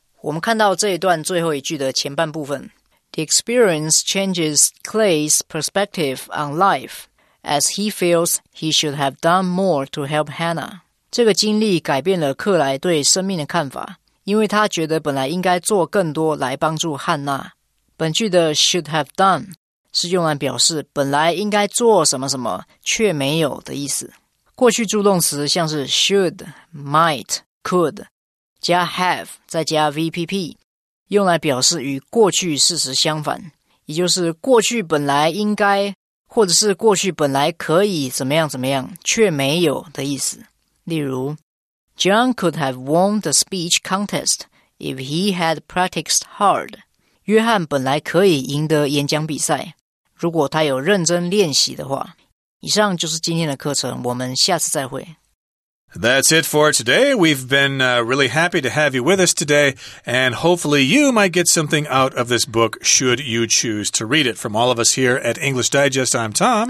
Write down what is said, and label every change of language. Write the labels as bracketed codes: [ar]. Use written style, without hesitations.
[zh] 我们看到这一段最后一句的前半部分。 [en] The experience changes Clay's perspective on life as he feels he should have done more to help Hannah. [zh] 这个经历改变了克莱对生命的看法，因为他觉得本来应该做更多来帮助汉娜。本句的 should have done 是用来表示本来应该做什么什么却没有的意思。过去助动词像是 should, might, could 加 have 再加 VPP用来表示与过去事实相反，也就是过去本来应该，或者是过去本来可以怎么样怎么样，却没有的意思。例如 [en] ,John could have won the speech contest if he had practiced hard. [zh] 约翰本来可以赢得演讲比赛，如果他有认真练习的话。以上就是今天的课程，我们下次再会。 [en] That's it for today. We've been really happy to have you with us today, and hopefully you might get something out of this book should you choose to read it. From all of us here at English Digest, I'm Tom.